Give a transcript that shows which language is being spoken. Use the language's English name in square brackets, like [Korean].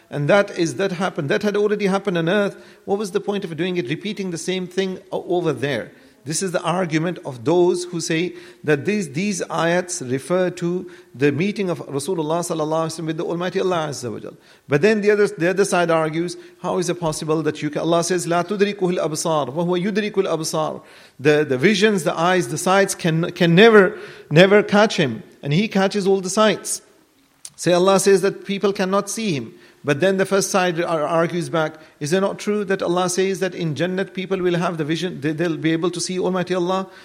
[English] And that happened. That had already happened on earth. What was the point of doing it, repeating the same thing over there? This is the argument of those who say that these ayats refer to the meeting of Rasulullah sallallahu alaihi wasallam with the Almighty Allah azza wa jal. But then the other side argues, how is it possible that you can? Allah says, [Arabic] لا تدركه الأبصار وهو يدرك الأبصار. [English] The visions, the eyes, the sights can never catch him, and he catches all the sights. Say Allah says that people cannot see him. But then the first side argues back, is it not true that Allah says that in Jannat people will have the vision, they'll be able to see Almighty Allah?